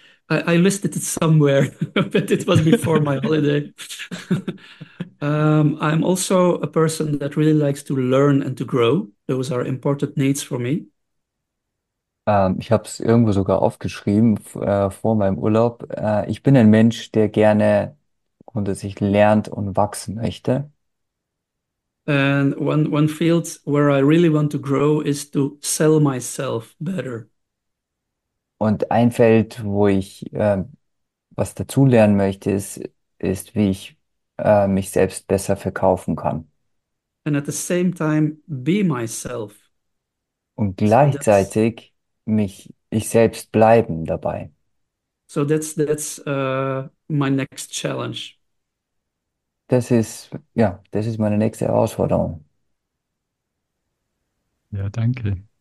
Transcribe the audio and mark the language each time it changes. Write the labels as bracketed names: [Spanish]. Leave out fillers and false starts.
[English] I listed it somewhere, but it was before my holiday. I'm also a person that really likes to learn and to grow. Those are important needs for me. [German] Ich habe es irgendwo sogar aufgeschrieben, vor meinem Urlaub. Ich bin ein Mensch, der gerne grundsätzlich lernt und wachsen möchte. [English] And one field where I really want to grow is to sell myself better. [German] Und ein Feld, wo ich was dazulernen möchte, ist, wie ich mich selbst besser verkaufen kann. [English] And at the same time be myself. [German] Und [English] So that's [German] gleichzeitig mich ich selbst bleiben dabei. [English] my next challenge. [German] Das ist meine nächste Herausforderung. Ja, danke.